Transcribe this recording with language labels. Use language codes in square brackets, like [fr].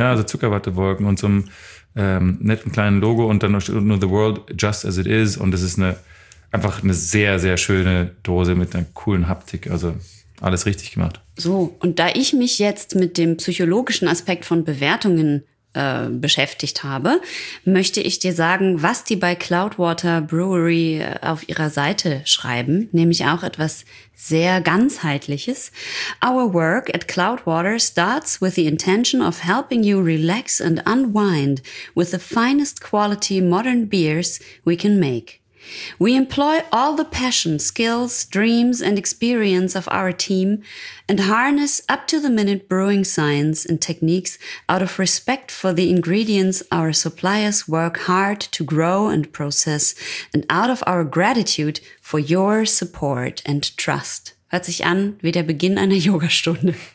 [de] Ja, so Zuckerwattewolken und so einem netten kleinen Logo und dann steht nur The World Just As It Is und es ist einfach eine sehr, sehr schöne Dose mit einer coolen Haptik, also alles richtig gemacht. So, und da ich mich jetzt mit dem psychologischen Aspekt von Bewertungen beschäftigt habe, möchte ich dir sagen, was die bei Cloudwater Brewery auf ihrer Seite schreiben, nämlich auch etwas sehr Ganzheitliches. [en] Our work at Cloudwater starts with the intention of helping you relax and unwind with the finest quality modern beers we can make. We employ all the passion, skills, dreams and experience of our team and harness up-to-the-minute brewing science and techniques out of respect for the ingredients our suppliers work hard to grow and process and out of our gratitude for your support and trust. [de] hört sich an wie der Beginn einer Yogastunde.